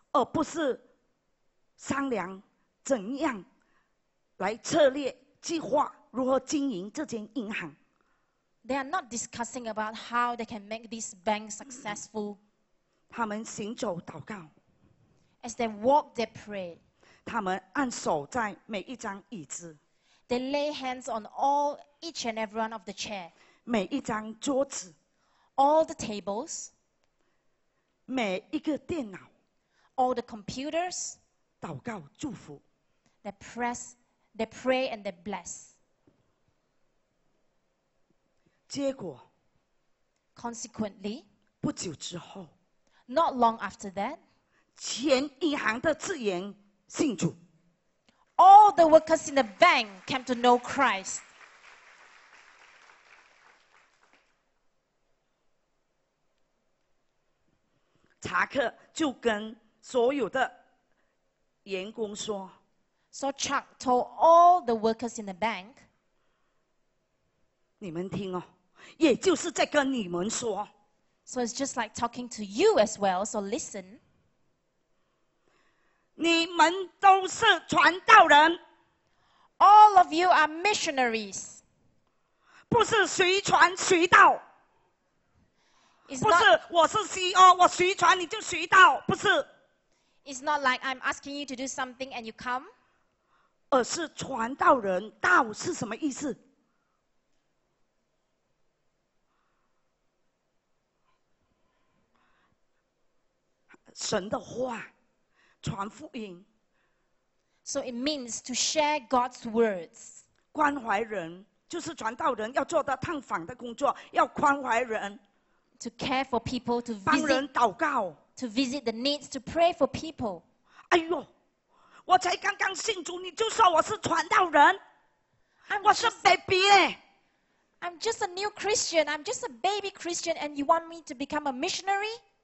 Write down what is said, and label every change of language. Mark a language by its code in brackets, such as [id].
[zh] 而不是商量怎样来策略计划如何经营这间银行。 [en] They are not discussing about how they can make this bank successful. [zh] 他们行走祷告。 [en] As they walk, they pray. [zh] 他们按手在每一张椅子。 [en] They lay hands on all each and every one of the chair. [zh] 每一张桌子。 [en] All the tables. [zh] 每一个电脑。 [en] All the computers. [zh] 祷告祝福。 [en] They pray and they bless. [zh] 结果。 [en] Consequently. [zh] 不久之后。 [en] Not long after that. [zh] 全银行的职员信主。 [en] All the workers in the bank came to know Christ. [zh] 查克就跟所有的员工说。 [en] So Chuck told all the workers in the bank. [zh] 你们听哦，也就是在跟你们说。 [en] So it's just like talking to you as well, so listen. [zh] 你们都是传道人。 [en] All of you are missionaries. [zh] 不是随传随到。不是我是 CEO, 我随传你就随到，不是。 [en] It's not like I'm asking you to do something and you come. [zh] 而是传道人，道是什么意思？神的话。传福音。 [en] So it means to share God's words. [zh] 关怀人就是传道人要做的探访的工作，要关怀人。 [en] To care for people, to visit. [zh] 帮人祷告。 [en] To visit the needs, to pray for people. [zh] 哎呦，我才刚刚信主，你就说我是传道人？ [en] I'm [zh] 我是 [en] baby I'm just a new Christian. I'm just a baby Christian, and you want me to become a missionary?